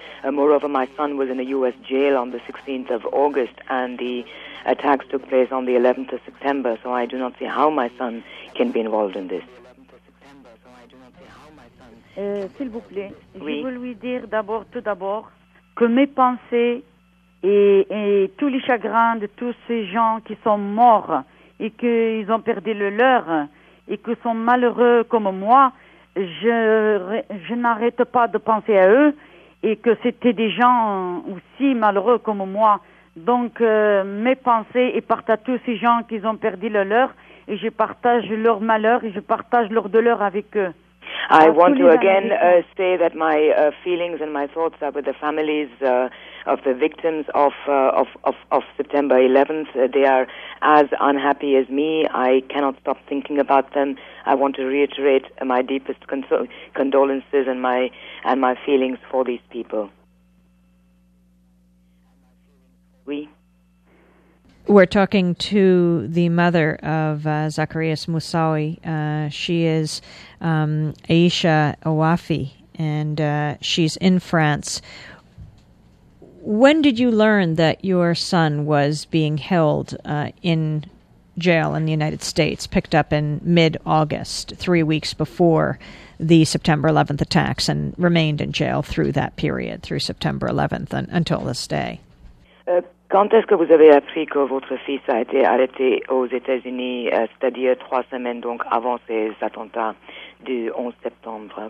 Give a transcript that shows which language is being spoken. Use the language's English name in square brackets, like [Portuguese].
[English] Moreover, my son was in a US jail on the 16th of August and the attacks took place on the 11th of September, so I do not see how my son can be involved in this. [French] S'il vous plaît, oui. Je veux lui dire tout d'abord que mes pensées et tous les chagrins de tous ces gens qui sont morts et qu'ils ont perdu le leur et qui sont malheureux comme moi, je n'arrête pas de penser à eux et que c'était des gens aussi malheureux comme moi. Donc mes pensées et partent à tous ces gens qui ont perdu le leur et je partage leur malheur et je partage leur douleur avec eux. [English] I want to again say that my feelings and my thoughts are with the families of the victims of September 11th. They are as unhappy as me. I cannot stop thinking about them. I want to reiterate my deepest condolences and my feelings for these people. [French] Oui. [English] We're talking to the mother of Zacharias Moussaoui. She is Aisha Owafi, and she's in France. When did you learn that your son was being held in jail in the United States, picked up in mid-August, 3 weeks before the September 11th attacks, and remained in jail through that period, through September 11th, until this day? [French] Quand est-ce que vous avez appris que votre fils a été arrêté aux États-Unis, c'est-à-dire 3 semaines donc avant ces attentats du 11 septembre?